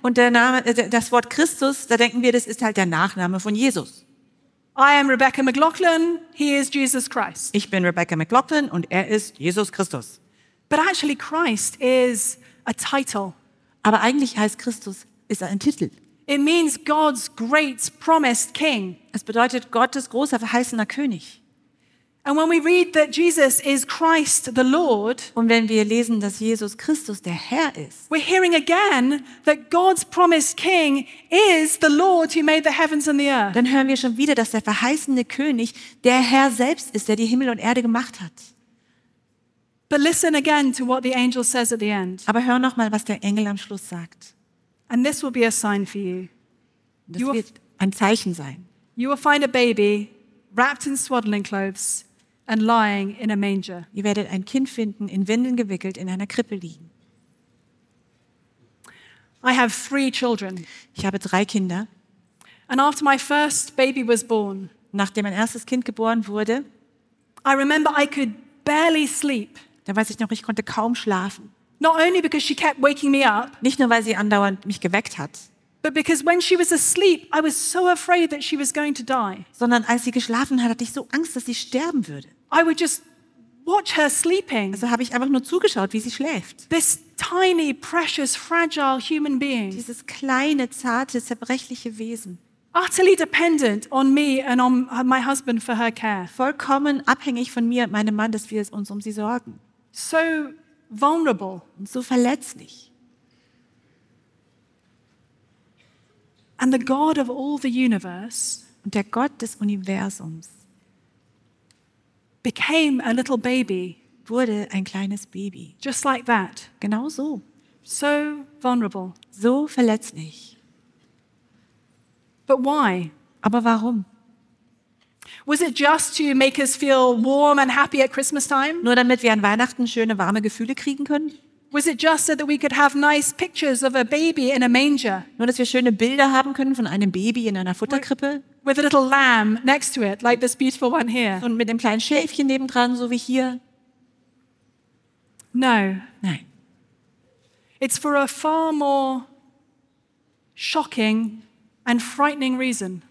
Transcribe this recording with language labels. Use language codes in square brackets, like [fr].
[de] Und der Name, das Wort Christus, da denken wir, das ist halt der Nachname von Jesus. [en] I am Rebecca McLaughlin, he is Jesus Christ. [de] Ich bin Rebecca McLaughlin und er ist Jesus Christus. [en] But actually Christ is a title. [de] Aber eigentlich heißt Christus ist ein Titel. [en] It means God's great promised king. [de] Es bedeutet Gottes großer verheißener König. [en] And when we read that Jesus is Christ the Lord, [de] und wenn wir lesen, dass Jesus Christus der Herr ist, [en] we're hearing again that God's promised king is the Lord who made the heavens and the earth. [de] Dann hören wir schon wieder, dass der verheißene König der Herr selbst ist, der die Himmel und Erde gemacht hat. [en] But listen again to what the angel says at the end. [de] Aber hör noch mal, was der Engel am Schluss sagt. [en] And this will be a sign for you. [de] Das wird ein Zeichen sein. [en] You will find a baby wrapped in swaddling clothes and lying in a manger. [de] Ihr werdet ein Kind finden, in Windeln gewickelt, in einer Krippe liegen. [en] I have three children. [de] Ich habe drei Kinder. [en] And after my first baby was born, [de] nachdem mein erstes Kind geboren wurde, [en] I remember I could barely sleep. [de] Da weiß ich noch, ich konnte kaum schlafen. [en] Not only because she kept waking me up. [de] Nicht nur, weil sie andauernd mich geweckt hat. [en] But because when she was asleep, I was so afraid that she was going to die. [de] Sondern als sie geschlafen hat, hatte ich so Angst, dass sie sterben würde. [en] I would just watch her sleeping. [de] Also habe ich einfach nur zugeschaut, wie sie schläft. [en] This tiny, precious, fragile human being. [de] Dieses kleine, zarte, zerbrechliche Wesen. [en] Utterly dependent on me and on my husband for her care. [de] Vollkommen abhängig von mir und meinem Mann, dass wir uns um sie sorgen. [en] So vulnerable. [de] Und so verletzlich. [en] And the God of all the universe. [de] Und der Gott des Universums. [en] Became a little baby. [de] Wurde ein kleines Baby. [en] Just like that. [de] Genau so. [en] So vulnerable. [de] So verletzlich. [en] But why? [de] Aber warum? [en] Was it just to make us feel warm and happy at Christmas time? [de] Nur damit wir an Weihnachten schöne warme Gefühle kriegen können? [en] Was it just so that we could have nice pictures of a baby in a manger? [de] Nur dass wir schöne Bilder haben können von einem Baby in einer Futterkrippe? [en] With a little lamb next to it, like this beautiful one here. [de] Und mit dem kleinen Schäfchen nebendran, so wie hier? [en] No. [de] Nein. [en] It's for a far more shocking and frightening reason.